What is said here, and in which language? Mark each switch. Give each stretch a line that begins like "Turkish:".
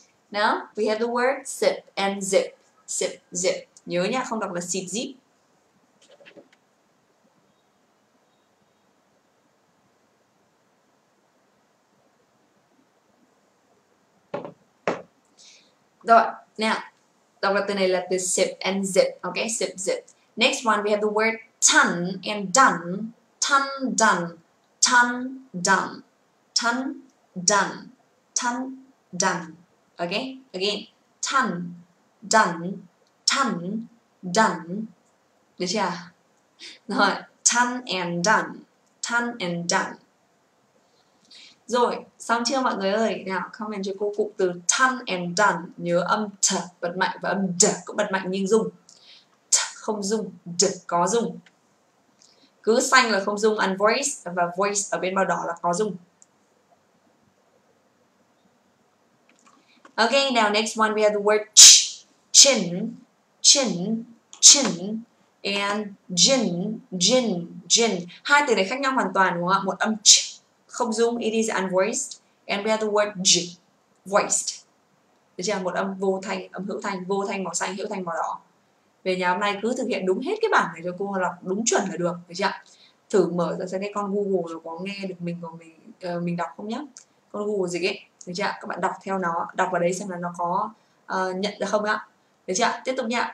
English: Now, we have the word sip and zip. Sip, zip.
Vietnamese: Nhớ nha, không đọc là sip, zip. Rồi, now, đọc là từ này là từ
English: sip and zip. Okay, sip, zip. Next one, we have the word ton and done. Ton, done. Ton, done. Ton, done. Ton, done. Okay, again, ton, done, ton, done.
Vietnamese: Được chưa?
English: Rồi, ton and done, ton and done.
Vietnamese: Rồi, xong chưa mọi người ơi? Nào, comment cho cô cụm từ
English: ton and done.
Vietnamese: Nhớ âm t bật mạnh và âm d cũng bật mạnh nhưng rung. T không rung, d có rung. Cứ xanh là không rung, unvoiced, và voiced ở bên màu đỏ là có rung.
English: Okay, now next one we have the word ch, chin, chin, chin, and gin, gin, gin.
Vietnamese: Hai từ này khác nhau hoàn toàn đúng không ạ? Một âm ch không rung,
English: it is unvoiced, and we have the word j, voiced.
Vietnamese: Được chưa? Một âm vô thanh, âm hữu thanh, vô thanh màu xanh, hữu thanh màu đỏ. Về nhà hôm nay cứ thực hiện đúng hết cái bảng này cho cô lọc đúng chuẩn là được, được chưa? Thử mở ra xem cái con Google rồi có nghe được mình còn mình đọc không nhá? Con Google gì ấy? Được chưa? Các bạn đọc theo nó, đọc vào đấy xem là nó có nhận được không ạ? Được chưa? Tiếp tục nhá.